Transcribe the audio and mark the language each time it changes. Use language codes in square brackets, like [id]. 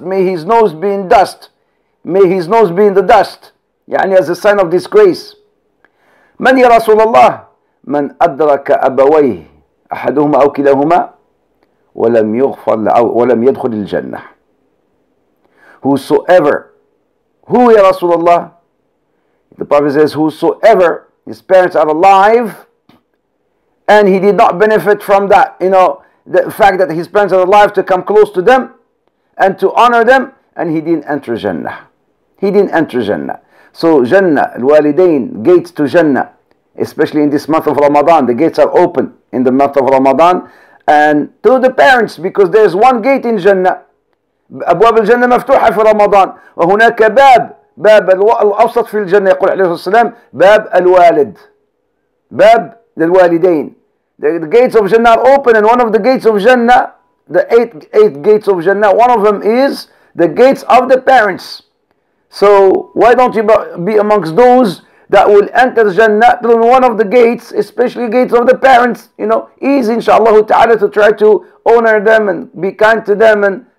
[en] May his nose be in dust. May his nose be in the dust. يعني as a sign of disgrace. [ar] من يا رسول الله من أدرك أبويه أحدهما أو كلاهما ولم يغفر أو ولم يدخل الجنة. [en] Whosoever, who [ar] يا رسول الله, [en] the Prophet says, whosoever his parents are alive and he did not benefit from that, you know, the fact that his parents are alive, to come close to them and to honor them, and he didn't enter Jannah. He didn't enter Jannah. So Jannah, الوالدين, gates to Jannah, especially in this month of Ramadan, the gates are open in the month of Ramadan, and to the parents, because there is one gate in Jannah. [ar] أبواب الجنة مفتوحة في رمضان وهناك باب, باب الأوسط في الجنة, يقول عليه الصلاة والسلام, باب الوالد, باب الوالدين. [en] The gates of Jannah are open, and one of the gates of Jannah, the eight gates of Jannah, one of them is the gates of the parents. So why don't you be amongst those that will enter Jannah through one of the gates, especially gates of the parents? You know, easy, inshallah ta'ala, to try to honor them and be kind to them and